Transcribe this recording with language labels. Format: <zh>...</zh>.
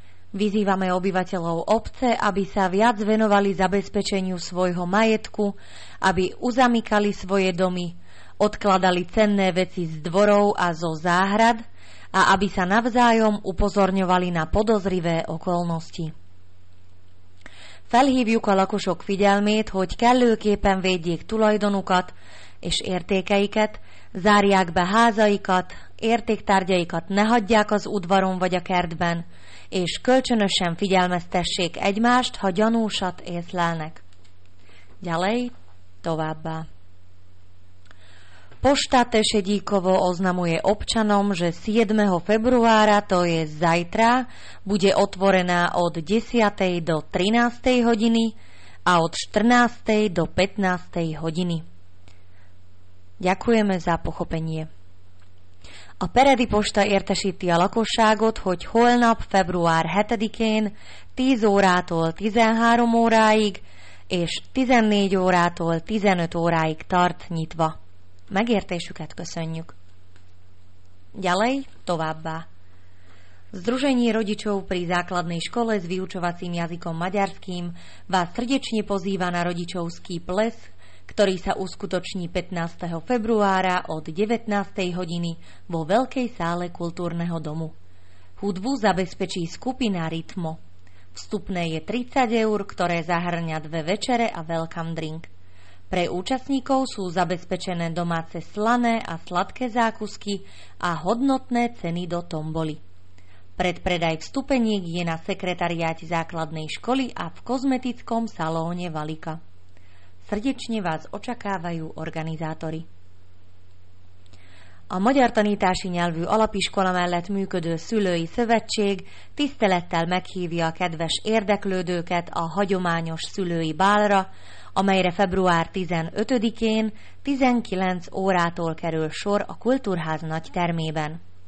<sk>Vyzývame obyvateľov obce, aby sa viac venovali zabezpečeniu svojho majetku, aby uzamykali svoje domy, odkladali cenné veci z dvorov a zo záhrad a aby sa navzájom upozorňovali na podozrivé okolnosti.</sk> <hu>Felhívjuk a lakosok figyelmét, hogy kellőképpen védjék tulajdonukat és értékeiket, zárják be házaikat, értéktárgyaikat ne hagyják az udvaron vagy a kertben, és kölcsönösen figyelmeztessék egymást, ha gyanúsat észlelnek.</hu> <sk>Gyalej,</sk> <hu>továbbá.</hu> <sk>Posta Tešedíkovo oznamuje občanom, že 7. februára, to je zajtra, bude otvorená od 10. do 13. hodiny a od 14. do 15. hodiny. Ďakujeme za pochopenie.</sk> <hu>A Peredi Posta értesíti a lakosságot, hogy holnap, február 7-én 10 órától 13 óráig és 14 órától 15 óráig tart nyitva. Megértésüket köszönjük.</hu> <sk>Ďalej,</sk> <hu>továbbá.</hu> <sk>Združenie rodičov pri základnej škole s vyučovacím jazykom maďarským vás srdečne pozýva na rodičovský ples, ktorý sa uskutoční 15. februára od 19. hodiny vo Veľkej sále kultúrneho domu. Hudbu zabezpečí skupina Rytmo. Vstupné je 30 eur, ktoré zahŕňa dve večere a welcome drink. Pre účastníkov sú zabezpečené domáce slané a sladké zákusky a hodnotné ceny do tomboli. Predpredaj vstupeniek je na sekretariáte základnej školy a v kozmetickom salóne Valika. Srdečne vás očakávajú organizátori.</sk> <hu>A magyar tanítási nyelvű alapiskola mellett működő szülői szövetség tisztelettel meghívja a kedves érdeklődőket a hagyományos szülői bálra, amelyre február 15-én 19 órától kerül sor a Kultúrház nagy termében.</hu>